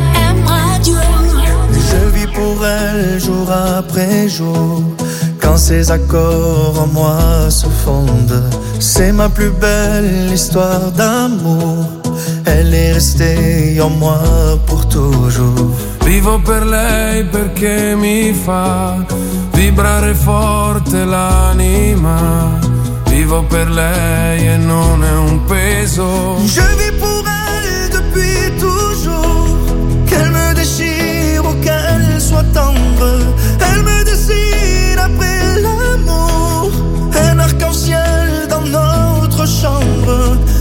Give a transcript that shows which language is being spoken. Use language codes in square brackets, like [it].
[fr] M Radio. Je vis pour elle jour après jour. Quand ses accords en moi se fondent, c'est ma plus belle histoire d'amour. Elle est restée en moi pour toujours. [it] Vivo per lei perché mi fa vibrare forte l'anima. Vivo per lei e non è un peso. [fr] Je vis pour elle depuis toujours. Qu'elle me déchire ou qu'elle soit tendre, elle me dessine après l'amour. Un arc-en-ciel dans notre chambre.